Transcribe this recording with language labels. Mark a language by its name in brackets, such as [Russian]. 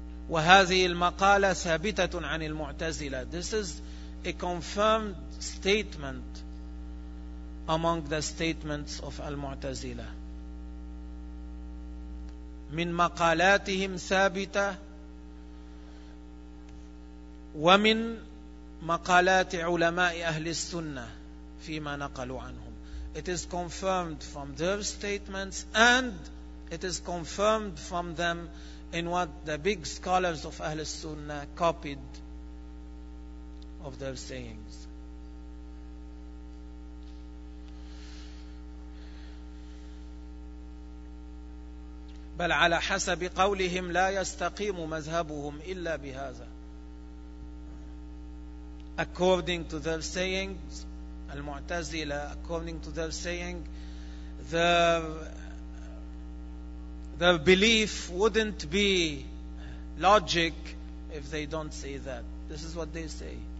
[Arabic] وهذه المقالة ثابتة عن المعتزلة. [English] This is a confirmed statement among the statements of المعتزلة. [Arabic] من مقالاتهم ثابتة ومن مقالات علماء أهل السنة فيما نقلوا عنهم. [English] It is confirmed from their statements and it is confirmed from them in what the big scholars of Ahl Sunnah copied of their sayings. [Arabic] بل على حسب قولهم لا يستقيم مذهبهم إلا بهذا. [English] According to their sayings, Al-Mu'tazila, according to their saying, their belief wouldn't be logic if they don't say that. This is what they say.